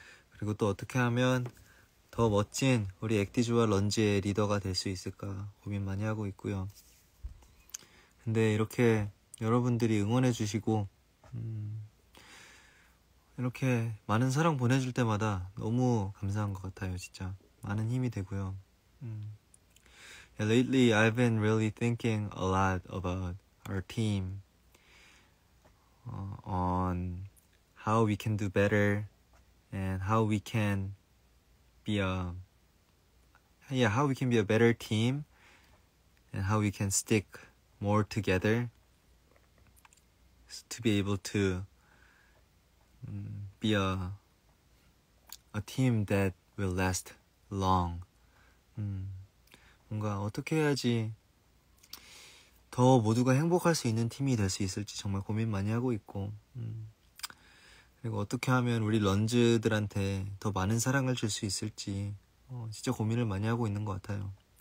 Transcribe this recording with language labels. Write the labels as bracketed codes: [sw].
[ko] 그리고 또 어떻게 하면 더 멋진 우리 액티즈와 런지의 리더가 될 수 있을까 고민 많이 하고 있고요. 근데 이렇게 여러분들이 응원해 주시고 이렇게 많은 사랑 보내줄 때마다 너무 감사한 것 같아요. 진짜 많은 힘이 되고요. [en] Lately I've been really thinking a lot about our team on how we can do better and how we can be a better team and how we can stick more together to be able to be a team that will last long. [ko] 뭔가 어떻게 해야지 더 모두가 행복할 수 있는 팀이 될 수 있을지 정말 고민 많이 하고 있고 그리고 어떻게 하면 우리 런즈들한테 더 많은 사랑을 줄 수 있을지 진짜 고민을 많이 하고 있는 것 같아요.